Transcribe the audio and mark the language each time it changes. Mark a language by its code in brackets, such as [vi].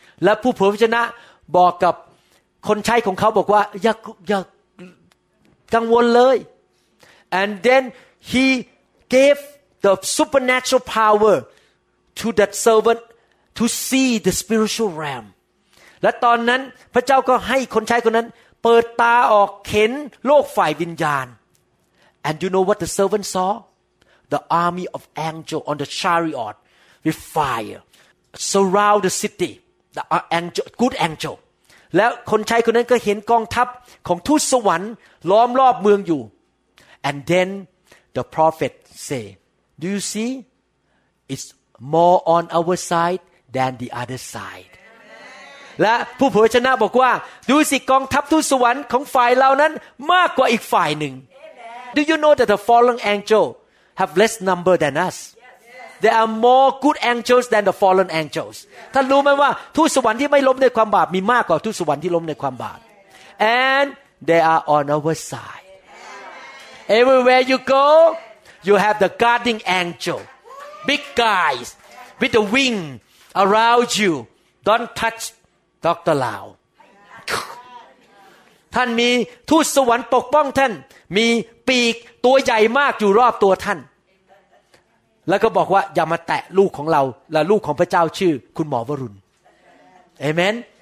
[th] และผู้เผยพระชนะบอกกับคนใช้ของเขาบอกว่าอย่ากังวลเลย [en] and then he gave the supernatural power to that servant to see the spiritual realm [th] และตอนนั้นพระเจ้าก็ให้คนใช้คนนั้นเปิดตาออกเห็นโลกฝ่ายวิญญาณ [en] and you know what the servant saw the army of angel on the chariot with fire surround the cityThe angel, good angel. [th] แล้วคนใช้คนนั้นก็เห็นกองทัพของทูตสวรรค์ล้อมรอบเมืองอยู่ [en] And then the prophet say, Do you see? It's more on our side than the other side. Amen. [th] และผู้เผยชนะบอกว่าดูสิกองทัพทูตสวรรค์ของฝ่ายเรานั้นมากกว่าอีกฝ่ายหนึ่ง [en] Amen. Do you know that the fallen angel have less number than us? There are more good angels than the fallen angels. [th] ท่านรู้ไหมว่าทูตสวรรค์ที่ไม่ล้มในความบาปมีมากกว่าทูตสวรรค์ที่ล้มในความบาป [en] And they are on our side. Everywhere you go, you have the guarding angel, big guys with the wing around you. Don't touch Dr. Lau. [th] ท่านมีทูตสวรรค์ปกป้องท่านมีปีกตัวใหญ่มากอยู่รอบตัวท่านแล้วก็บอกว่าอย่ามาแตะลูกของเราและลูกของพระเจ้าชื่อคุณหมอวรุณเอเมน